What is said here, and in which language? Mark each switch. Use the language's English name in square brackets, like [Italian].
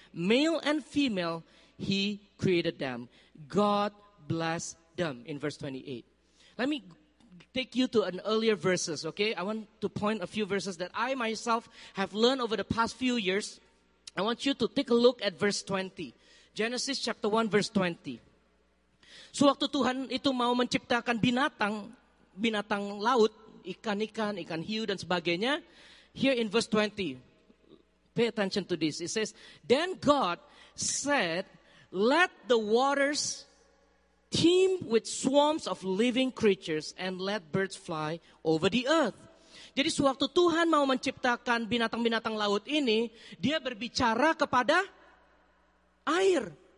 [English] Male and female, he created them. God blessed them. In verse 28. Let me take you to an earlier verses, okay? I want to point a few verses that I myself have learned over the past few years. I want you to take a look at verse 20. Genesis chapter 1, verse 20. [Indonesian] Sewaktu Tuhan itu mau menciptakan binatang, binatang laut, ikan-ikan, ikan hiu, dan sebagainya. [English] Here in verse 20, pay attention to this. It says, then God said, let the waters teem with swarms of living creatures and let birds fly over the earth. [Indonesian] Jadi sewaktu Tuhan mau menciptakan binatang-binatang laut ini, dia berbicara kepada air.